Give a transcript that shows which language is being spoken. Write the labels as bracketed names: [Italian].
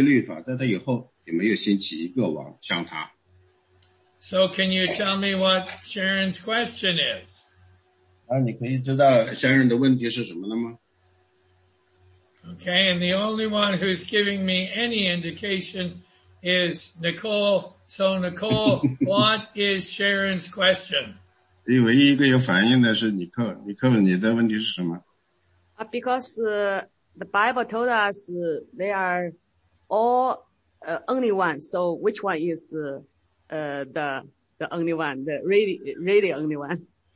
[Chinese] 第25节说，在约西亚以前，没有王像他尽心尽心尽力的归向耶和华，遵行摩西的一切律法，在他以后也没有兴起一个王像他。 [English] So can you tell me what Sharon's question is? [Chinese] 你可以知道Sharon的问题是什么了吗？ [English] Okay, and the only one who's giving me any indication is Nicole. So Nicole, what is Sharon's question? [Chinese] 唯一一个有反应的是尼克，尼克，你的问题是什么？ [English] Because the Bible told us they are all only one. So which one is the only one, the really only one?